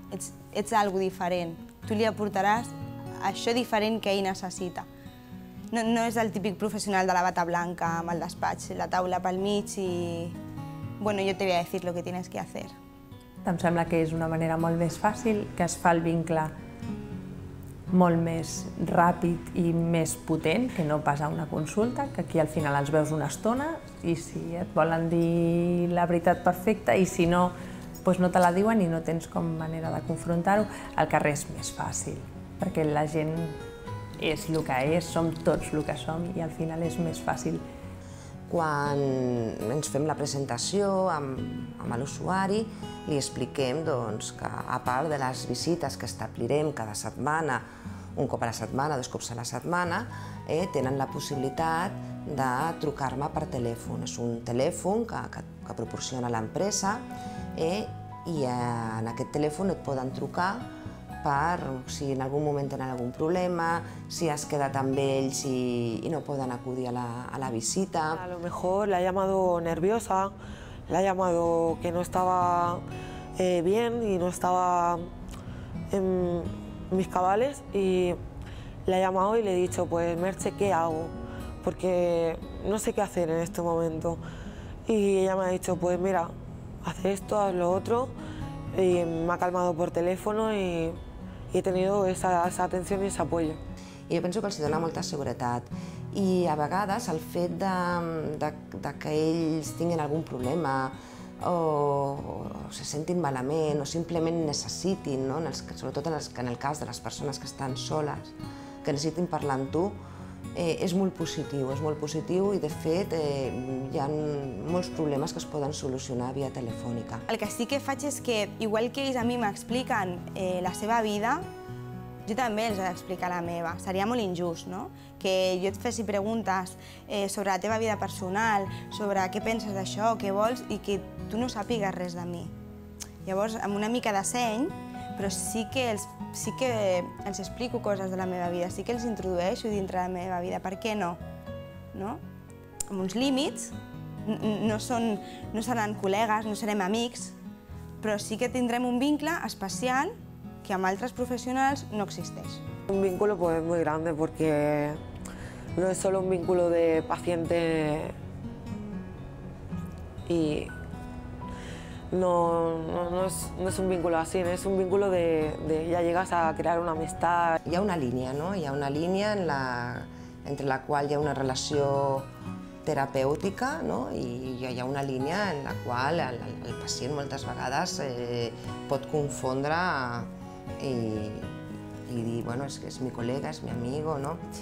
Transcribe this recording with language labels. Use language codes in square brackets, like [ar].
[ca] Ets algo diferent. Tu li aportaràs això diferent que ell necessita. No és el típic professional de la bata blanca amb el despatx, la taula pel mig i... [es] Bueno, yo te voy a decir lo que tienes que hacer. [ca] Em sembla que és una manera molt més fàcil, que es fa el vincle molt més ràpid i més potent que no pas a una consulta, que aquí al final els veus una estona i si et volen dir la veritat perfecta i si no, doncs no te la diuen i no tens com manera de confrontar-ho. Al carrer és més fàcil, perquè la gent és el que és, som tots el que som i al final és més fàcil. Quan ens fem la presentació amb l'usuari, li expliquem doncs, que a part de les visites que establirem cada setmana, un cop a la setmana, dos cops a la setmana, tenen la possibilitat de trucar-me per telèfon. És un telèfon que proporciona l'empresa i en aquest telèfon et poden trucar per si en algun moment tenen algun problema, si has quedat amb ells i no poden acudir a la visita. [es] A lo mejor la ha llamado nerviosa, la ha llamado que no estaba bien y no estaba en mis cabales y la ha llamado y le he dicho, pues Merche, ¿qué hago? Porque no sé qué hacer en este momento. Y ella me ha dicho, pues mira, haz esto, haz lo otro, y me ha calmado por teléfono y he tenido esa atención y ese apoyo. [ca] I jo penso que els dona molta seguretat. I a vegades el fet de que ells tinguin algun problema o se sentin malament o simplement necessitin, no? Sobretot en el cas de les persones que estan soles, que necessitin parlar amb tu, és molt positiu, és molt positiu i de fet hi ha molts problemes que es poden solucionar via telefònica. El que sí que faig és que, igual que ells a mi m'expliquen la seva vida, jo també els he d'explicar la meva. Seria molt injust, no? Que jo et fessi preguntes sobre la teva vida personal, sobre què penses d'això, què vols, i que tu no sàpigues res de mi. Llavors, amb una mica de seny, però sí que els explico coses de la meva vida, sí que els introdueixo dintre la meva vida, per què no? No? Amb uns límits, no seran col·legues, no serem amics, però sí que tindrem un vincle especial que amb altres professionals no existeix. [es] Un vínculo pues muy grande porque no es solo un vínculo de paciente y no es un vínculo así, es un vínculo de ya llegas a crear una amistad. [ca] Hi ha una línia, no? Hi ha una línia entre la qual hi ha una relació terapèutica, no? I hi ha una línia en la qual el pacient moltes vegades pot confondre i dir, bueno, és que és mi col·lega, és [es] mi amigo, [ca] no?